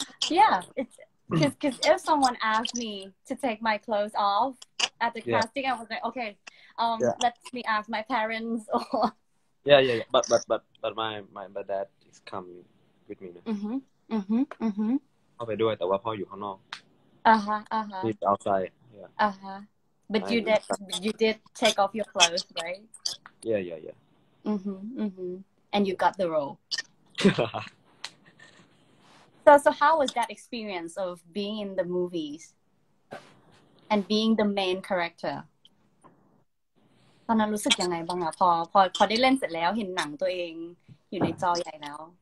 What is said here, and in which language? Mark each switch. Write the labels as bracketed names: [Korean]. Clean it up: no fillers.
[English] Yeah, because if someone asked me to take my clothes off at the casting, I was like, okay, let me ask my parents or. Yeah. But my dad is coming with me. Mm-hmm. Mm-hmm. [Thai] เข้าไปด้วยแต่ว่าพ่ออยู่ข้างนอก [English] Uh-huh. He's outside. Yeah. Uh-huh. But you did take off your clothes, right? Yeah. Mm-hmm. Mm-hmm. And you got the role. So how was that experience of being in the movies and being the main character? [Thai] ตอนนั้นรู้สึกยังไงบ้างอ่ะพอได้เล่นเสร็จแล้วเห็นหนังตัวเองอยู่ในจอใหญ่แล้ว